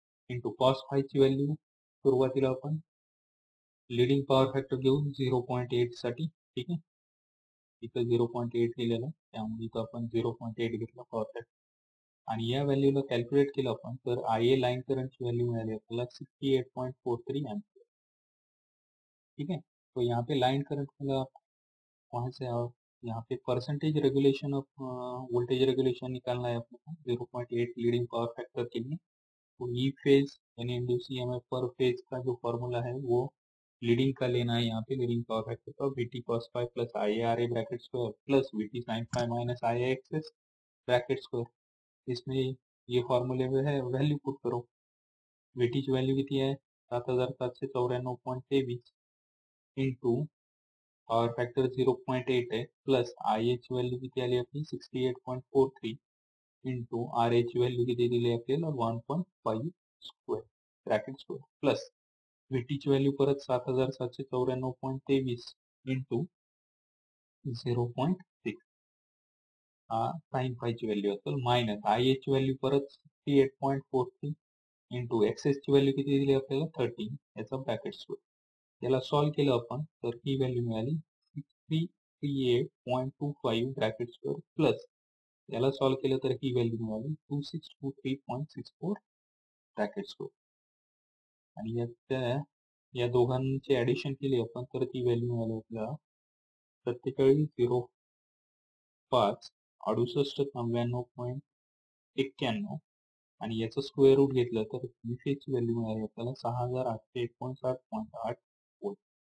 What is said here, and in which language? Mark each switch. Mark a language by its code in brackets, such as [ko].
[mr] Into cos phi ची value सुरुवातीला आपण लिडिंग पॉवर फॅक्टर घेऊ 0.8 साठी, ठीक आहे. इथं 0.8 लिहिलेलं, त्यामुळे इथं आपण 0.8 घेतला पॉवर फॅक्टर. आणि या व्हॅल्यूला कॅल्क्युलेट केलं आपण तर आय ए लाईन करंटची व्हॅल्यू मिळाली आपल्याला 68.43 एम्पीयर, ठीक आहे. [hi] तो यहाँ पे लाइन करंट मिला वहां से, और यहाँ पे percentage regulation of voltage regulation निकालना है अपने को 0.8 लीडिंग पावर फैक्टर के लिए. तो ई फेज यानी इंड्यूस ईएमएफ पर फेज का जो फॉर्मूला है वो लीडिंग का लेना है यहाँ पे लीडिंग पावर फैक्टर का, we T cos five plus I R A bracket square plus we T sign five minus I x S bracket square. इसमें ये फॉर्मूले में है, वैल्यू पुट करो. वी टी की वैल्यू कितनी है 7794.23 इंटू पावर फैक्टर 0.8 है, प्लस आई एच वैल्यू की आई अपनी 68.43 इंटू आर एच वैल्यू की दे दी अपने 1.5 square bracket square, plus we T की वैल्यू पर 7794.23 इंटू 0.6 [mr] साइन फाइव ची वैल्यू असेल, minus I H value per 68.43 into x S ची वैल्यू किती दिली आपल्याला 13 याचा ब्रॅकेट स्क्वेअर. याला सॉल्व केलं आपण तर ही व्हॅल्यू मिळाली 6338.25 ब्रॅकेट स्क्वेअर, प्लस याला सॉल्व केलं तर ही व्हॅल्यू मिळाली 2623.64 ब्रॅकेट स्क्वेअर. आणि या दोघांचे ऍडिशन केली आपण तर ती व्हॅल्यू मिळाली आपल्याला 47.05 68.91 आणि याचं स्क्वेअर रूट घेतलं तर ई फेजची व्हॅल्यू मिळाली आपल्याला 6801.8 व्होल्ट.